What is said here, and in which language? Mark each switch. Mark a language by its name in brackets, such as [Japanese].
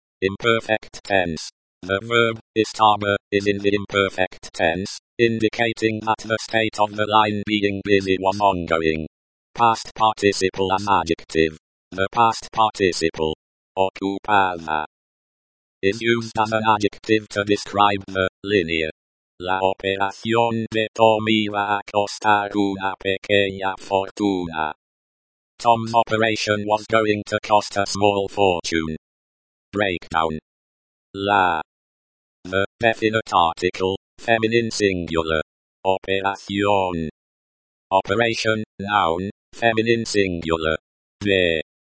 [English] Imperfect tense. The verb, estaba, is in the imperfect tense, indicating that the state of the line being busy was ongoing. Past participle as adjective. The past participle, ocupada, is used as an adjective to describe the, linear. [Spanish] La operación de Tommy va a costar una pequeña fortuna. [English] Tom's operation was going to cost a small fortune. Breakdown. La. The definite article, feminine singular. Operación. Operation, noun, feminine singular. De.